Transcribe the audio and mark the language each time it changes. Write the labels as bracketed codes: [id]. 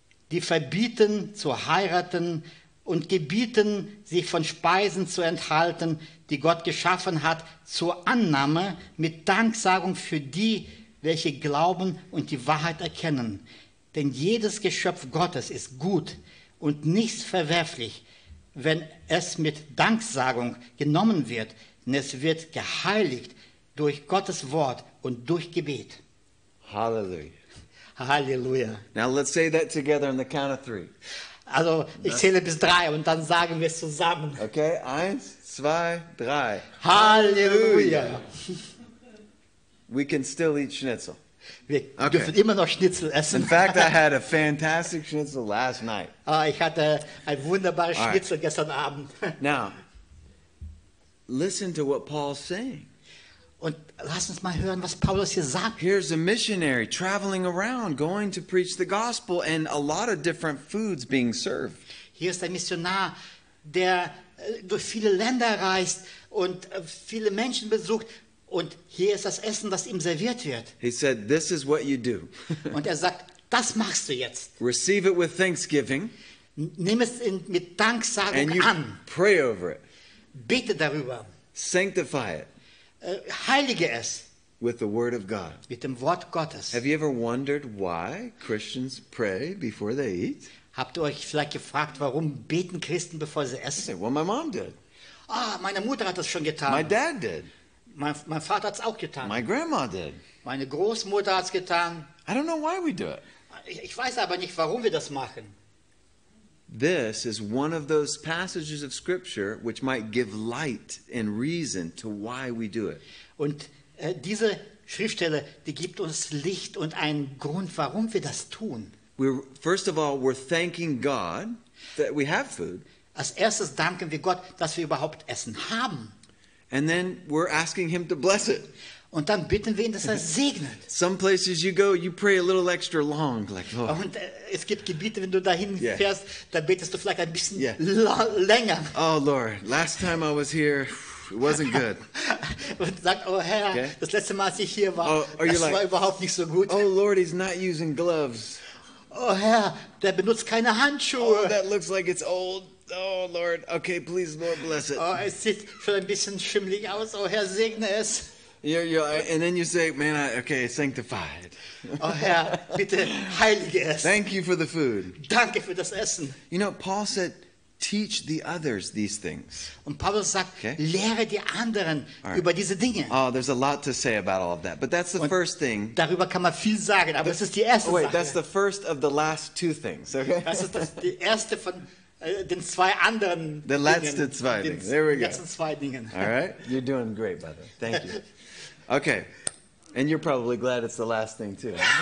[de] die verbieten zu heiraten und gebieten, sich von Speisen zu enthalten, die Gott geschaffen hat, zur Annahme mit Danksagung für die, welche glauben und die Wahrheit erkennen. Denn jedes Geschöpf Gottes ist gut und nichts verwerflich, wenn es mit Danksagung genommen wird, denn es wird geheiligt durch Gottes Wort und durch Gebet. Halleluja. Halleluja. [en] Now let's say that together on the count of three. [de] Also, ich zähle bis drei und dann sagen wir es zusammen. Okay, eins, zwei, drei. Halleluja. [en] We can still eat schnitzel. [de] Wir dürfen immer noch Schnitzel essen. [en] In fact, I had a fantastic schnitzel last night. [de] Ich hatte ein wunderbares Schnitzel gestern Abend. [en] Now, listen to what Paul's saying. [de] Und lass uns mal hören, was Paulus hier sagt. [en] Here's a missionary traveling around, going to preach the gospel, and a lot of different foods being served. [de] Hier ist ein Missionar, der durch viele Länder reist und viele Menschen besucht, und hier ist das Essen, das ihm serviert wird. [en] He said, "This is what you do." [de] Und er sagt, das machst du jetzt. [en] Receive it with thanksgiving. [de] Nimm es mit Danksagung an. [en] And you pray over it. [de] Bete darüber. [en] Sanctify it. [de] Heilige es. [en] With the word of God. [de] Mit dem Wort Gottes. [en] Have you ever wondered why Christians pray before they eat? [de] Habt ihr euch vielleicht gefragt, warum beten Christen, bevor sie essen? [en] Say, well, my mom did. [de] Meine Mutter hat das schon getan. [en] My dad did. [de] Mein Vater hat es auch getan. [en] My grandma did. [de] Meine Großmutter hat es getan. [en] I don't know why we do it. [de] Ich weiß aber nicht, warum wir das machen. [en] This is one of those passages of scripture which might give light and reason to why we do it. [de] Und diese Schriftstelle, die gibt uns Licht und einen Grund, warum wir das tun. [en] First of all, we're thanking God that we have food. [de] Als erstes danken wir Gott, dass wir überhaupt Essen haben. [en] And then we're asking him to bless it. [de] Und dann bitten wir ihn, dass segnet. [en] Some places you go, you pray a little extra long, like, oh. [de] Und es gibt Gebiete, wenn du dahin fährst, da betest du vielleicht ein bisschen länger. [en] Oh Lord, last time I was here, it wasn't good. [de] Und sagt, oh Herr, das letzte Mal, als ich hier war, war überhaupt nicht so gut. [en] Oh Lord, he's not using gloves. [de] Oh Herr, der benutzt keine Handschuhe. [en] Oh, that looks like it's old. Oh Lord, okay, please, Lord, bless it. [de] Oh, es sieht schon ein bisschen schimmelig aus. Oh Herr, segne es. [en] And then you say, man, sanctify it. [de] Oh Herr, bitte heilige es. [en] Thank you for the food. [de] Danke für das Essen. [en] You know, Paul said, teach the others these things. [de] Und Paulus sagt, lehre die anderen über diese Dinge. [en] Oh, there's a lot to say about all of that, but that's the first thing. [de] Darüber kann man viel sagen, aber das ist die erste Sache. [en] Wait, that's the first of the last two things, okay? [de] Das ist die erste von den zwei anderen Dingen. [en] The last two things, there we go. [de] Die letzten zwei Dingen. [en] All right, you're doing great, brother. Thank you. Okay, and you're probably glad it's the last thing too.